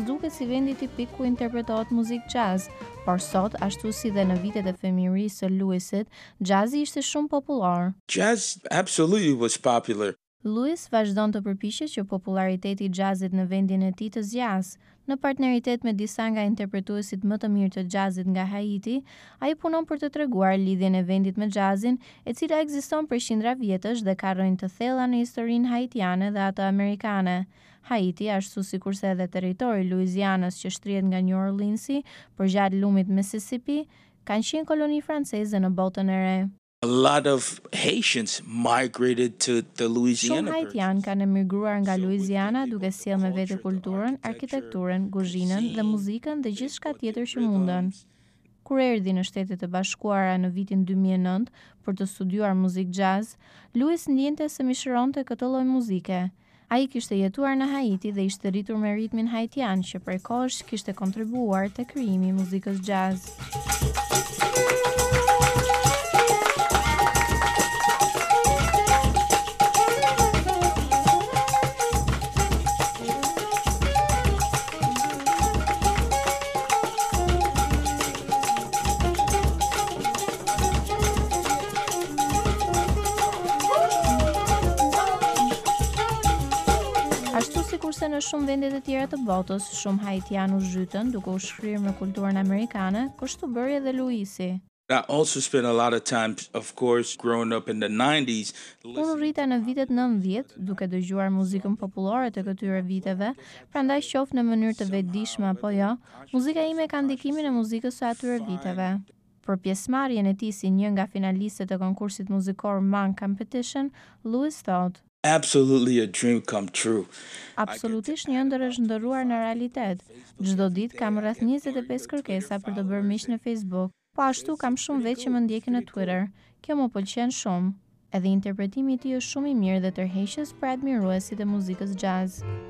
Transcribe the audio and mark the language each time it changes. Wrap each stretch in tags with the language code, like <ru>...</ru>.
<sq>Si vendi tipik ku interpretohet muzikë jazz, por sot, ashtu si dhe në vitet e fëmijërisë së Lewisit, jazzi ishte shumë popullor.</sq> <en>Jazz absolutely was popular.</en> <sq>Louis vazhdon të përpiqet që populariteti i jazzit në vendin e tij të zgjas. Në partneritet me disa nga interpretuesit më të mirë të jazzit nga Haiti, ai punon për të treguar lidhjen e vendit me jazzin, e cila ekziston për qindra vjetësh dhe ka rënë të thella në historinë haitiane dhe atë amerikane. Haiti, ashtu sikurse edhe territori i Louisianës që shtrihet nga New Orleansi përgjat lumit Mississippi, kanë qenë koloni franceze në botën e re.</sq> <en>A lot of Haitians migrated to the Louisiana.</en> <sq>Shumë Haitian kanë emigruar nga Louisiana duke sjellë me vete kulturën, arkitekturën, kuzhinën dhe muzikën dhe gjithçka tjetër që mundën. Kur erdhi në Shtetet e Bashkuara në vitin 2009 për të studiuar muzikë jazz, Louis ndjente se mishëronte këtë lloj muzike. Ai kishte jetuar në Haiti dhe ishte rritur me ritmin haitian që prej kohësh kishte kontribuar te krijimi i muzikës jazz. Në shumë vendet e tjera të botës, shumë haitian u zhytën duke u shkrirë me kulturën amerikane, kështu bëri edhe Luisi.</sq> <en>I also spent a lot of time, of course, growing up in the 90s.</en> <sq>Unë rrita në vitet 90, duke dëgjuar muzikën popullore të këtyre viteve, prandaj qoftë në mënyrë të vetëdijshme apo jo, muzika ime ka ndikimin e muzikës së atyre viteve. Për pjesëmarrjen e tij si një nga finalistët të konkursit muzikor MAN Competition, Louis thought,</sq> <en>absolutely a dream come true.</en> <sq>Absolutisht një ëndër është ndërruar në realitet. Çdo ditë kam rreth 25 kërkesa për të bërë miq në Facebook. Po ashtu kam shumë veq që më ndjekin në Twitter. Kjo më pëlqen shumë. Edhe interpretimi i tij është shumë i mirë dhe tërheqës për admiruesit e muzikës jazz.</sq>